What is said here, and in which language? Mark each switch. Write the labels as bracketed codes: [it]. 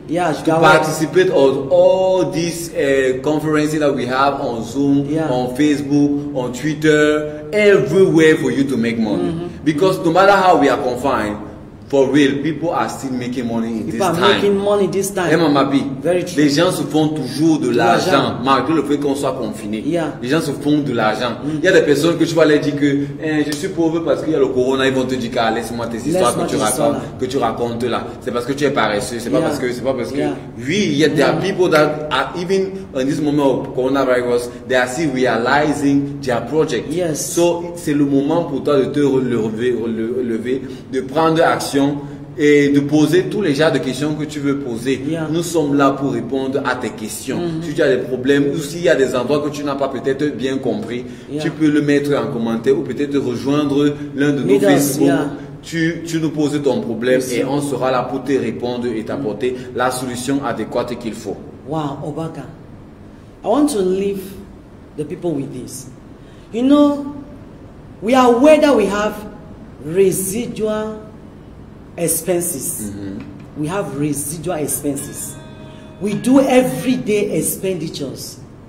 [en] Yes, to participate on all these conferences that we have on Zoom, yeah. on Facebook, on Twitter, everywhere for you to make money. Mm-hmm. Because no matter how we are confined, for real, people are still making money in people this time. People are making money this time. Hey, Mama B. Very true. [fr] Les gens se font toujours de l'argent, malgré le fait qu'on soit confiné. [en] Yeah. [fr] Les gens se font de l'argent. Il y a des personnes que tu vas leur dire que je suis pauvre parce qu'il y a le corona. Ils vont te dire que laisse-moi tes histoires que tu racontes là. C'est parce que tu es paresseux. C'est pas parce que. [en] Yeah. [fr] Oui, il y a des [en] people that are, even in this moment of coronavirus, they are still realizing their project. Yes. [fr] So, c'est le moment pour toi de te relever, de prendre action. Et de poser tous les genres de questions que tu veux poser. [en] Yeah. [fr] Nous sommes là pour répondre à tes questions. Mm-hmm. Si tu as des problèmes ou s'il y a des endroits que tu n'as pas peut-être bien compris, [en] yeah. [fr] tu peux le mettre en commentaire ou peut-être rejoindre l'un de nos Facebook. [en] Yeah. [fr] Tu nous poses ton problème et on sera là pour te répondre et t'apporter mm-hmm. la solution adéquate qu'il faut. [en] Wow, Obaka. I want to leave the people with this. You know, we are aware that we have residual expenses. Mm-hmm. We have residual expenses. We do everyday expenditures.